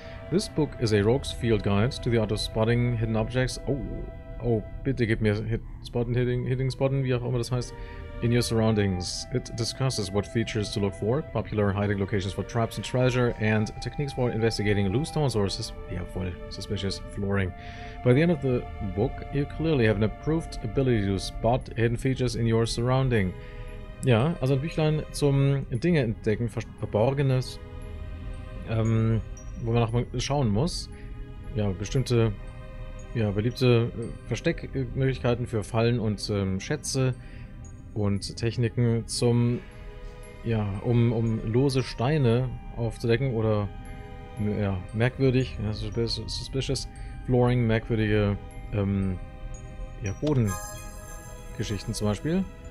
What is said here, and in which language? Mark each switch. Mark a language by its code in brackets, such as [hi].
[en] This book is a rogue's field guide to the art of spotting hidden objects. [de] Oh, oh, bitte gib mir Hitting Spotten, wie auch immer das heißt. [en] In your surroundings. It discusses what features to look for, popular hiding locations for traps and treasure, and techniques for investigating loose stones or suspicious flooring. By the end of the book, you clearly have an approved ability to spot hidden features in your surrounding. [de] Ja, also ein Büchlein zum Dinge entdecken, Verborgenes, wo man nachmal schauen muss. Ja, bestimmte, ja, beliebte Versteckmöglichkeiten für Fallen und Schätze. Und Techniken zum, ja, um lose Steine aufzudecken oder, ja, merkwürdig, ja, [en] suspicious flooring, [de] merkwürdige, ja, Bodengeschichten zum Beispiel.